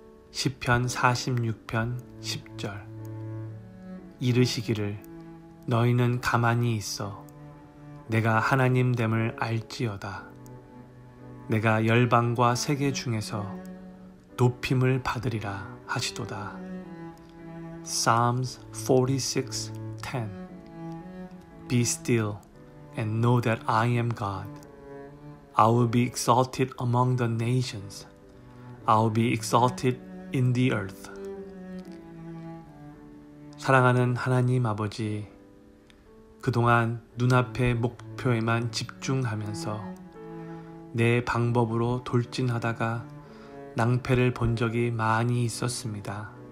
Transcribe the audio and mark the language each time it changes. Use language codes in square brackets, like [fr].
[ko] 시편 46편 10절 이르시기를 너희는 가만히 있어 내가 하나님 됨을 알지어다. 내가 열방과 세계 중에서 높임을 받으리라 하시도다. [en] Psalms 46:10 Be still and know that I am God. I will be exalted among the nations. I will be exalted in the earth. [ko] 사랑하는 하나님 아버지, 그동안 눈앞의 목표에만 집중하면서 내 방법으로 돌진하다가 낭패를 본 적이 많이 있었습니다.